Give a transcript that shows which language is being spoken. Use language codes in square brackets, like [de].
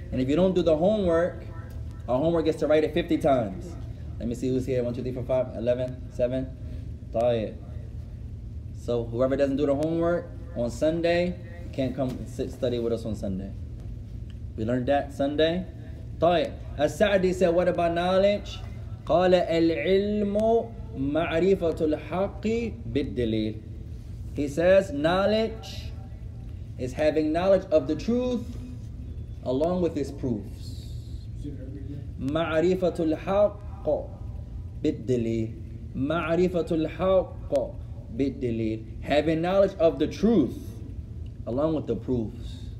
[en] And if you don't do the homework, our homework is to write it 50 times. Let me see who's here. 1, 2, 3, 4, 5, 11, 7. طيب. So whoever doesn't do the homework on Sunday can't come sit study with us on Sunday. We learned that Sunday. طيب. As-Sa'di said, what about knowledge? [ar] قال العلم معرفة الحق بالدليل. [en] He says, knowledge is having knowledge of the truth along with its proofs. [ar] معرفة الحق بالدليل. معرفة الحق بالدليل. [en] Having knowledge of the truth along with the proofs.